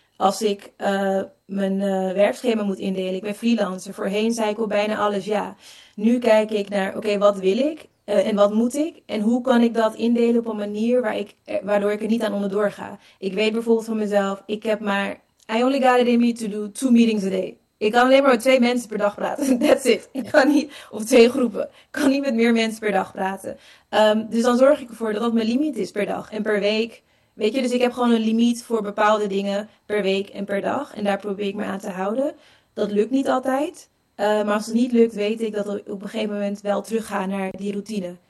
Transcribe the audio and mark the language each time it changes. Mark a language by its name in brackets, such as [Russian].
[Dutch] Als ik mijn werkschema moet indelen, ik ben freelancer. Voorheen zei ik op bijna alles ja. Nu kijk ik naar, oké, wat wil ik? En wat moet ik? En hoe kan ik dat indelen op een manier waardoor ik er niet aan onderdoor ga? Ik weet bijvoorbeeld van mezelf, ik heb maar... [English] I only got it in me to do 2 meetings a day. [Dutch] Ik kan alleen maar met 2 mensen per dag praten. [English] That's it. [Dutch] Ik kan niet... Of 2 groepen. Ik kan niet met meer mensen per dag praten. Dus dan zorg ik ervoor dat dat mijn limiet is per dag en per week. Weet je, dus ik heb gewoon een limiet voor bepaalde dingen per week en per dag. En daar probeer ik me aan te houden. Dat lukt niet altijd. Maar als het niet lukt, weet ik dat ik op een gegeven moment wel terugga naar die routine.